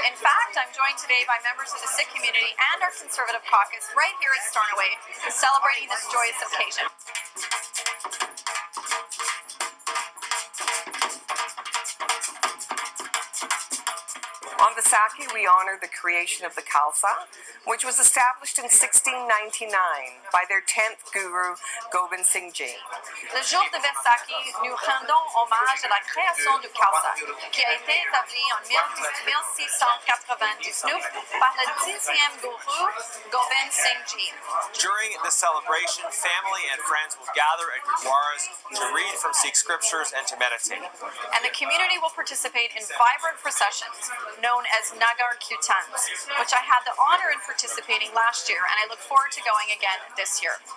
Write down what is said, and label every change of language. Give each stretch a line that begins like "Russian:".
English: In fact, I'm joined today by members of the Sikh community and our conservative caucus right here at Stornoway celebrating this joyous occasion. On Vaisakhi, we honor the creation of the Khalsa, which was established in 1699 by their 10th guru, Gobind Singh Ji.
French: Le jour de Vaisakhi, nous rendons hommage à la création du Khalsa, qui a été établi en 1699 par le 10th guru, Gobind Singh Ji.
English: During the celebration, family and friends will gather at gurdwaras to read from Sikh scriptures and to meditate. And the community will participate in vibrant processions known as Nagar Kirtans, which I had the honor in participating last year, and I look forward to going again this year.